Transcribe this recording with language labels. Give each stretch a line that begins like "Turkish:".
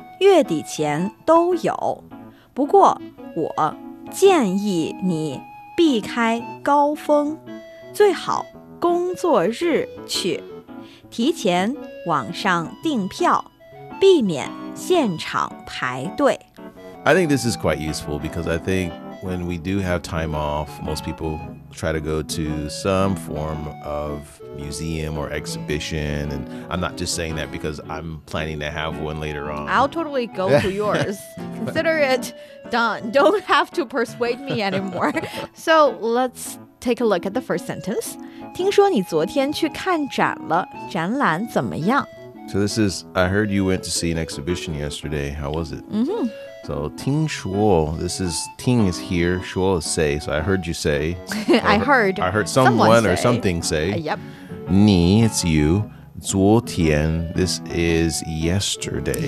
Chinese: 月底前都有，不过我建议你避开高峰，最好工作日去，提前网上订票，避免现场排队。
English: I think this is quite useful because I think when we do have time off, most people try to go to some form of museum or exhibition. And I'm not just saying that because I'm planning to have one later on. I'll totally go to yours. Consider it done. Don't have to persuade me anymore. So let's take a look at the first sentence.
Chinese: 听说你昨天去看展了，展览怎么样？
English: So this is, I heard you went to see an exhibition yesterday. How was it? Mm-hmm. So, Tīngshuō, this is, Ting is here, Shuō is say, so I heard you say. I heard someone or something say. Yep. Ni, it's you. Zuótiān, this is yesterday.